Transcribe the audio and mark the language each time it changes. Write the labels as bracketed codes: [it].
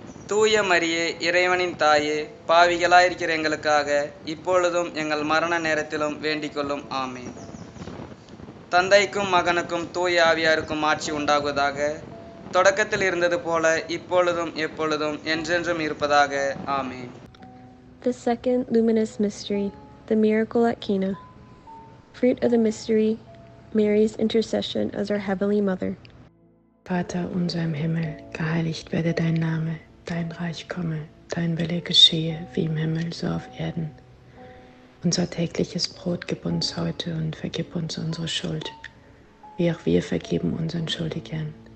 [ta] தூய மரியே இறைவனின் தாயே, பாவிகளாயிருக்கிற எங்களுக்காக இப்பொழுதும் எங்கள் மரண நேரத்திலும் வேண்டிக் கொள்ளும். ஆமீன். தந்தைக்கும் மகனுக்கும் தூய ஆவியாருக்கும் ஆட்சி உண்டாகுவதாக, தொடக்கத்தில் இருந்தது போல இப்பொழுதும் எப்பொழுதும் என்றென்றும் இருப்பதாக. ஆமீன். [en] The second luminous mystery, the miracle at Cana. Fruit of the mystery, Mary's intercession as our heavenly mother. [de] Vater unser im Himmel, geheiligt werde dein Name, dein Reich komme, dein Wille geschehe, wie im Himmel so auf Erden. Unser tägliches Brot gib uns heute und vergib uns unsere Schuld, wie auch wir vergeben unseren Schuldigern.